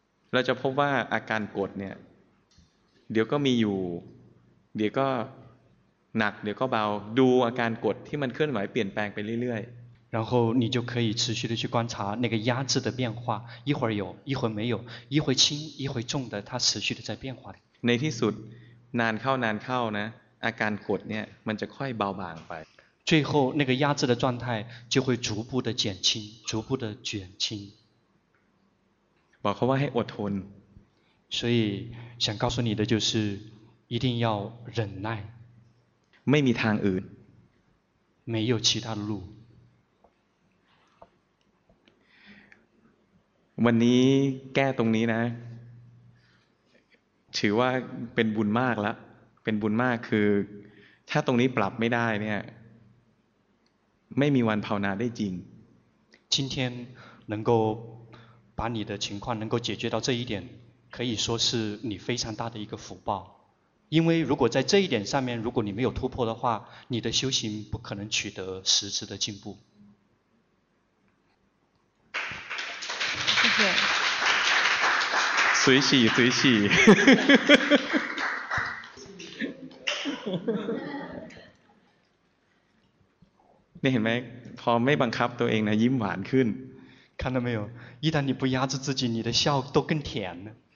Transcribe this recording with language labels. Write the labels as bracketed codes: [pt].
[th] เราจะพบว่าอาการกดเนี่ยเดี๋ยวก็มีอยู่เดี๋ยวก็หนักเดี๋ยวก็เบาดูอาการกดที่มันเคลื่อนไหวเปลี่ยนแปลงไปเรื่อย [zh] ๆ然后你就可以持续的去观察那个压制的变化一会儿有一会儿没有一会轻一会重的它持续的在变化 [th] ในที่สุดนานเข้านะอาการกดเนี่ยมันจะค่อยเบาบางไป [zh] 最后那个压制的状态就会逐步的减轻逐步的减轻 [th] บอกเขาว่าให้อดทน [zh] 所以想告诉你的就是一定要忍耐 [th] ไม่มีทางอื่น [zh] 没有其他路 [th] วันนี้แก้ตรงนี้นะถือว่าเป็นบุญมากแล้วเป็นบุญมากคือถ้าตรงนี้ปรับไม่ได้เนี่ยไม่มีวันภาวนาได้จริง [zh] 今天能够把你的情况能够解决到这一点可以说是你非常大的一个福报因为如果在这一点上面如果你没有突破的话你的修行不可能取得实质的进步随喜随喜你看没 [th] พอไม่บังคับตัวเองนะยิ้มหวานขึ้น [zh] 看到没有一旦你不压制自己你的笑都更甜